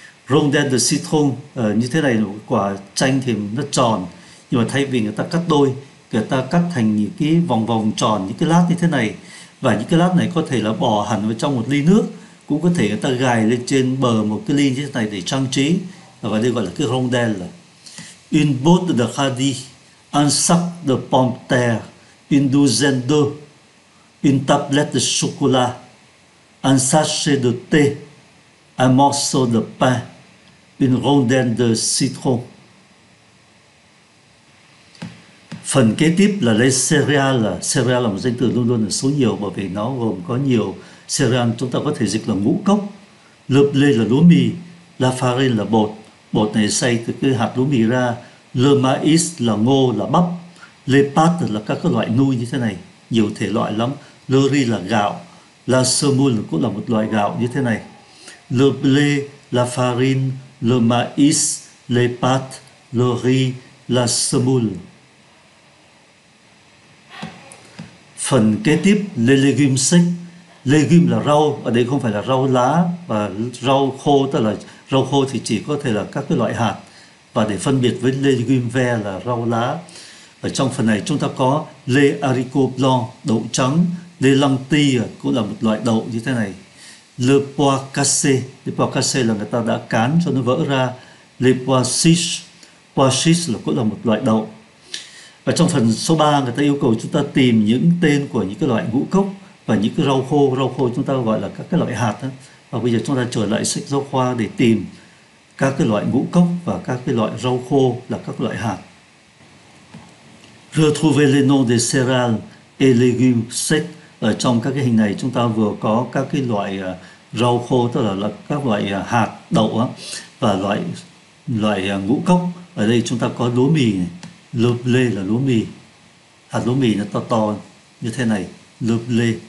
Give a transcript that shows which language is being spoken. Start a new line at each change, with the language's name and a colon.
Vietnamese: Rondelle de citron như thế này, một quả chanh thì nó tròn, nhưng mà thay vì người ta cắt đôi, người ta cắt thành những cái vòng vòng tròn, những cái lát như thế này, và những cái lát này có thể là bỏ hẳn vào trong một ly nước, cũng có thể người ta gài lên trên bờ một cái ly như thế này để trang trí, và đây gọi là cái rondelle.
French: Une botte de radis, un sac de pomme de terre, une douzaine d'œufs, une tablette de chocolat, un sachet de thé, un morceau de pain, une rondelle de citron.
Vietnamese: Phần kế tiếp là lấy céréales. Céréales là một danh từ luôn luôn là số nhiều, bởi vì nó gồm có nhiều céréales. Chúng ta có thể dịch là ngũ cốc. Le blé là lúa mì, la farine là bột, bột này xay từ cái hạt lúa mì ra. Le maïs là ngô, là bắp. Le pâte là các loại nui như thế này, nhiều thể loại lắm. Le riz là gạo, la semoule cũng là một loại gạo như thế này.
French: Le blé, la farine, le maïs, le pâte, le riz, la semoule.
Vietnamese: Phần kế tiếp, les légumes secs. Légumes là rau, ở đây không phải là rau lá và rau khô, tức là rau khô thì chỉ có thể là các cái loại hạt, và để phân biệt với les légumes verts là rau lá. Ở trong phần này chúng ta có les haricots blancs, đậu trắng, les lentilles cũng là một loại đậu như thế này. Le pois cassé, le pois cassé là người ta đã cán cho nó vỡ ra. Le pois chiche là cũng là một loại đậu. Và trong phần số 3, người ta yêu cầu chúng ta tìm những tên của những cái loại ngũ cốc và những cái rau khô. Rau khô chúng ta gọi là các cái loại hạt đó. Và bây giờ chúng ta trở lại sách giáo khoa để tìm các cái loại ngũ cốc và các cái loại rau khô là các loại hạt.
French: Retrouver les noms des céréales et légumes secs.
Vietnamese: Ở trong các cái hình này chúng ta vừa có các cái loại rau khô, tức là các loại hạt đậu đó, và loại loại ngũ cốc. Ở đây chúng ta có lúa mì này. Le blé là lúa mì, hạt lúa mì nó to to như thế này, le blé.